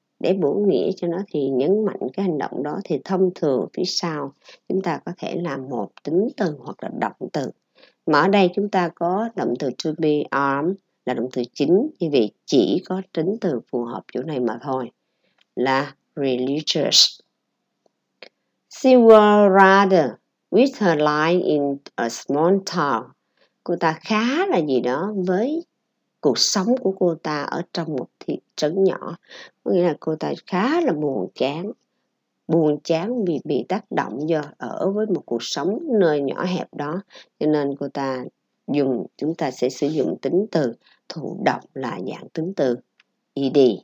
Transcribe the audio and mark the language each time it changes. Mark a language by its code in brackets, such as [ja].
[vi] Để bổ nghĩa cho nó thì nhấn mạnh cái hành động đó, thì thông thường phía sau chúng ta có thể làm một tính từ hoặc là động từ. Mà ở đây chúng ta có động từ to be armed là động từ chính, như vậy chỉ có tính từ phù hợp chỗ này mà thôi, là religious. [en] She was rather with her life in a small town. [vi] Cô ta khá là gì đó với cuộc sống của cô ta ở trong một thị trấn nhỏ. Có nghĩa là cô ta khá là buồn chán. Buồn chán vì bị tác động do ở với một cuộc sống nơi nhỏ hẹp đó. Cho nên cô ta dùng, chúng ta sẽ sử dụng tính từ thụ động là dạng tính từ ed.